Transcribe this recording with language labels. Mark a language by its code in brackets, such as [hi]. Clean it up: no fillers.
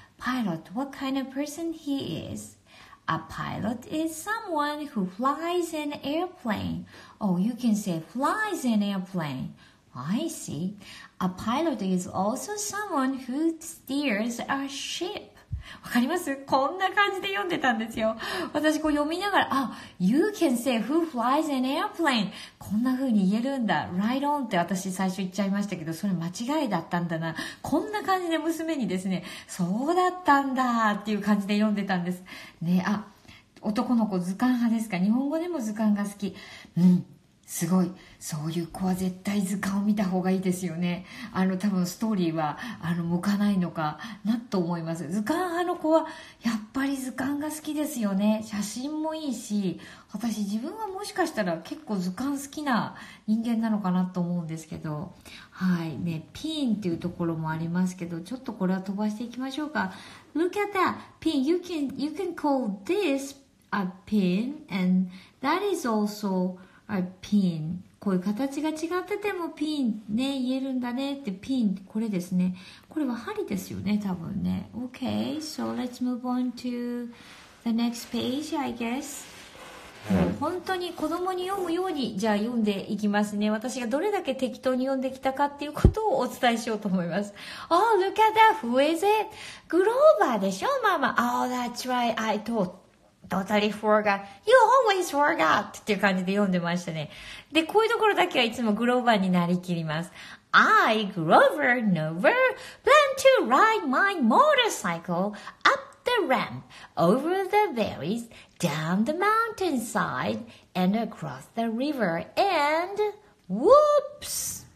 [en] Pilot, what kind of person he is? A pilot is someone who flies an airplane. Oh, you can say flies an airplane. I see. A pilot is also someone who steers a ship. [ja] わかります？こんな感じで読んでたんですよ。私こう読みながら、あ、 [en] you can say who flies an airplane. [ja] こんな風に言えるんだ。 [en] Right on [ja] って私最初言っちゃいましたけど、それ間違いだったんだな。こんな感じで娘にですね、そうだったんだっていう感じで読んでたんです。ね、あ、男の子図鑑派ですか？日本語でも図鑑が好き。うん。すごい、そういう子は絶対図鑑を見た方がいいですよね。あの多分ストーリーは向かないのかなと思います。図鑑派の子はやっぱり図鑑が好きですよね。写真もいいし、私自分はもしかしたら結構図鑑好きな人間なのかなと思うんですけど、はいね、ピンっていうところもありますけど、ちょっとこれは飛ばしていきましょうか。 [en] Look at that pin. You can call this a pin and that is also a pin. [ja] こういう形が違っててもピンね、言えるんだねって。ピン、これですね、これは針ですよね多分ね。 [en] OK, so let's move on to the next page, I guess. [ja] 本当に子供に読むようにじゃあ読んでいきますね。私がどれだけ適当に読んできたかっていうことをお伝えしようと思います。 [en] Oh, look at that. Who is it? [ja] グローバーでしょ、ママ。 [en] Oh, that's right. I totally forgot. You always forgot. [ja] っていう感じで読んでましたね。で、こういうところだけはいつもグローバーになりきります。 [en] I, Grover Nover, plan to ride my motorcycle up the ramp, over the berries, down the mountainside, and across the river, and whoops!